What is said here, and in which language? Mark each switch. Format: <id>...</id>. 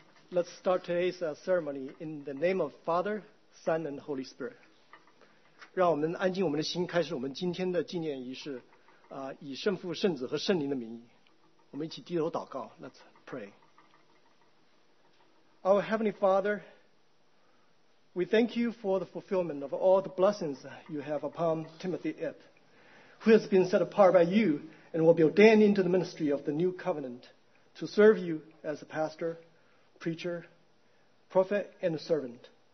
<en>Let's start today's ceremony in the name of Father, Son, and Holy Spirit.</en> <zh>让我们安静我们的心，开始我们今天的纪念仪式。以圣父、圣子和圣灵的名义，我们一起低头祷告。</zh> <en>Let's pray. Our Heavenly Father, we thank you for the fulfillment of all the blessings you have upon Timothy Ip, who has been set apart by you and will be ordained into the ministry of the new covenant to serve you as a pastor, preacher, prophet, and a servant.</en>